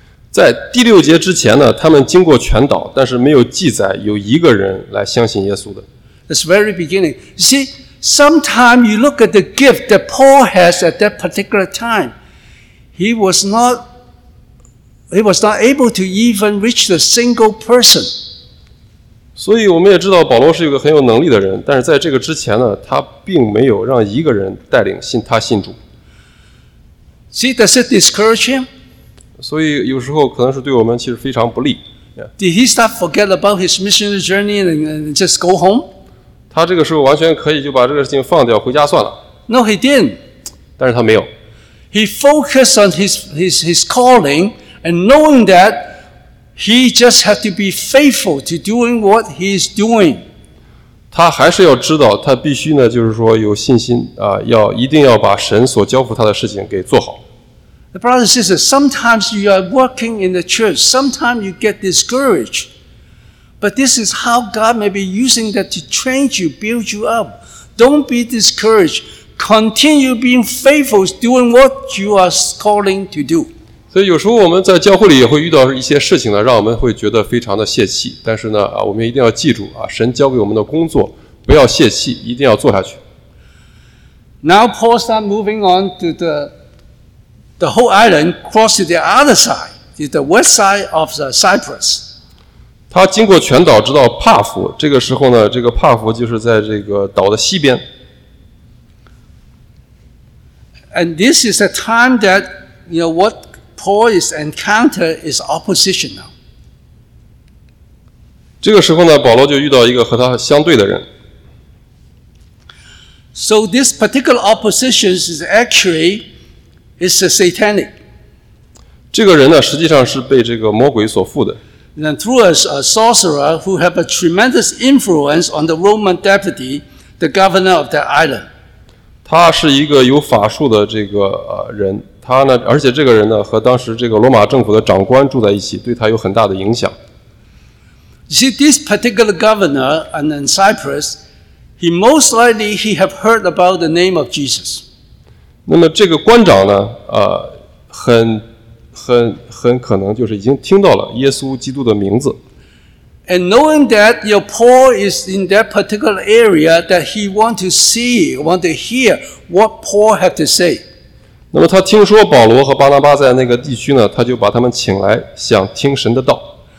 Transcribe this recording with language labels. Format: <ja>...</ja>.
<zh>在第六节之前呢，他们经过全岛，但是没有记载有一个人来相信耶稣的。</zh> <en>It's very beginning. You see, Sometimes you look at the gift that Paul has at that particular time. He was not able to even reach the single person.</en> <zh>所以我们也知道保罗是一个很有能力的人，但是在这个之前呢，他并没有让一个人带领他信主。</zh> <en>See, does it discourage him?</en> <zh>所以有时候可能是对我们其实非常不利。</zh> <en>Did he start forget about his missionary journey and just go home?</en> <zh>他这个时候完全可以就把这个事情放掉，回家算了。</zh> <en>No, he didn't.</en> <zh>但是他没有。</zh> <en>He focused on his calling and knowing that he just had to be faithful to doing what he is doing.</en> <zh>他还是要知道，他必须呢，就是说有信心啊，要一定要把神所交付他的事情给做好。</zh> <en>Brothers and sisters, sometimes you are working in the church, sometimes you get discouraged. But this is how God may be using that to train you, build you up. Don't be discouraged. Continue being faithful, doing what you are calling to do.</en> <zh>所以有时候我们在教会里也会遇到一些事情呢，让我们会觉得非常的泄气。但是呢，我们一定要记住啊，神交给我们的工作，不要泄气，一定要做下去。</zh> <en>Now Paul start moving on to the whole island, cross to the other side, the west side of the Cyprus.</en> <zh>他经过全岛，直到帕弗。这个时候呢，这个帕弗就是在这个岛的西边。</zh> <en>And this is a time that, you know, what Paul is encounter is opposition now.</en> <zh>这个时候呢，保罗就遇到一个和他相对的人。</zh> <en>So this particular opposition is actually,It's a satanic.</en> <zh>这个人呢，实际上是被这个魔鬼所附的。</zh> <en>And through a sorcerer who had a tremendous influence on the Roman deputy, the governor of that island.</en> <zh>他是一个有法术的这个人，他呢，而且这个人呢，和当时这个罗马政府的长官住在一起，对他有很大的影响。</zh> <en>You see, this particular governor and in Cyprus, he most likely he have heard about the name of Jesus.</en> <zh>那么这个官长呢，很可能就是已经听到了耶稣基督的名字。</zh> <en>And knowing that your Paul is in that particular area, that he want to see, want to hear what Paul have to say.</en> <zh>那么他听说保罗和巴拿巴在那个地区呢，他就把他们请来，想听神的道。</zh>